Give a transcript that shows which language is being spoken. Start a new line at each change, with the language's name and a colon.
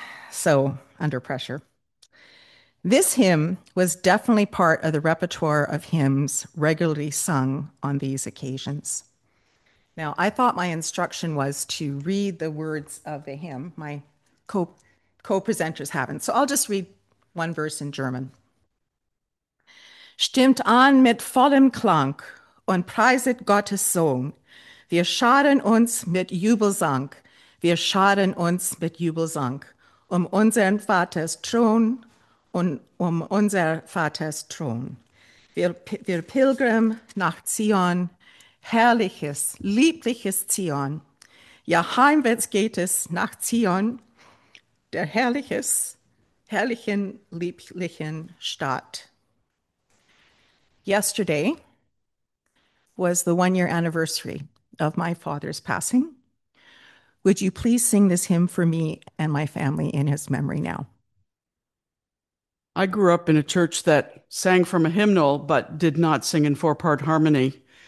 English: So, under pressure. This hymn was definitely part of the repertoire of hymns regularly sung on these occasions. Now, I thought my instruction was to read the words of the hymn. My co-presenters haven't. So I'll just read. One verse in German.
German: Stimmt an mit vollem Klang und preiset Gottes Sohn. Wir scharen uns mit Jubelsang, wir scharen uns mit Jubelsang, unseren Vaters Thron und unser Vaters Thron. Wir pilgern nach Zion, herrliches, liebliches Zion. Ja, heimwärts geht es nach Zion, der herrliches. Herrlichen, lieblichen Stadt.
English: Yesterday was the 1 year anniversary of my father's passing. Would you please sing this hymn for me and my family in his memory now? I grew up in a church that sang from a hymnal but did not sing in four-part harmony.